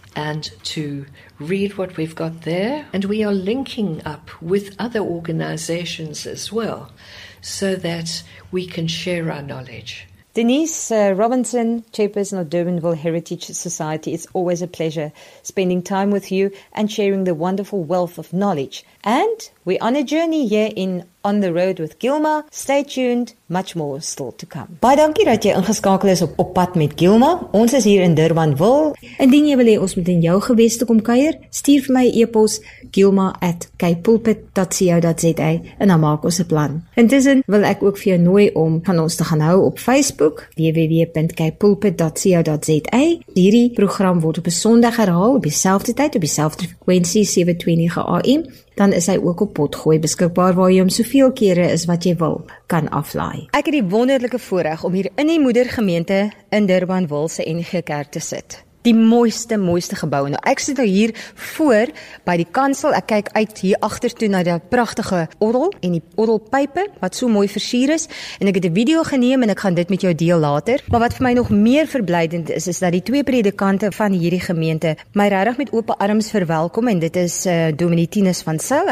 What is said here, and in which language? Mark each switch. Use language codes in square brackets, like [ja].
[en] and to read what we've got there. And we are linking up with other organizations as well so that we can share our knowledge. Denise Robinson, chairperson of Durbanville Heritage Society, it's always a pleasure spending time with you and sharing the wonderful wealth of knowledge. And we're on a journey here in On the Road with Gilma. Stay tuned, much more still to come. [af] Baie dankie dat jy ingeskakel is op pad met Gilma. Ons is hier in Durbanville. Indien jy wil hê ons moet in jou gewest kom kuier, stuur vir my 'n e-pos gilma@kpulpit.co.za en dan maak ons 'n plan. Intussen wil ek ook vir jou nooi om van ons te gaan hou op Facebook www.kpulpit.co.za. Hierdie program word op 'n Sondag herhaal op dieselfde tyd op dieselfde frekwensie 729 AM. Dan is hy ook op Potgooi beskikbaar waar jy hom soveel kere is wat jy wil kan aflaai. Ek het die wonderlike voorreg om hier in die moedergemeente in Durbanville se NG Kerk te sit. Die mooiste gebou. Nou ek sit nou hier voor by die kansel. Ek kyk uit hier agtertoe na die pragtige orgel en die orgelpype wat so mooi versier is en ek het 'n video geneem en ek gaan dit met jou deel later. Maar wat vir my nog meer verblydend is, is dat die twee predikante van hierdie gemeente my regtig met oop arms verwelkom en dit is Dominee Tinus van Sail.